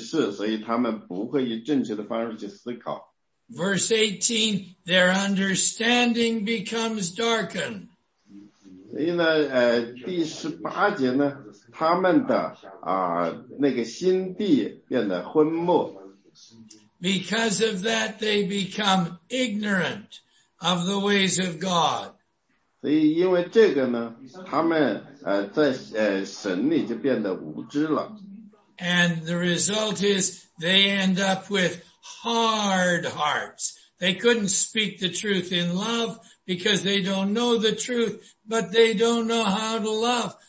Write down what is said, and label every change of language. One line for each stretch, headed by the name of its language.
Chinese: 因为在那个第我们回到17节呢，他们在这里讲到呢是他们的那些希望的心形式，所以他们不会以正确的方式去思考。
English: Verse 18, their understanding becomes darkened.
Chinese: 所以呢，第18节呢，他们的那个心地变得昏睦。
English: Because of that, they become ignorant of the ways of God.
Chinese: 所以因为这个呢，他们在神里就变得无知了。
English: And the result is they end up with hard hearts. They couldn't speak the truth in love because they don't know the truth, but they don't know how to love.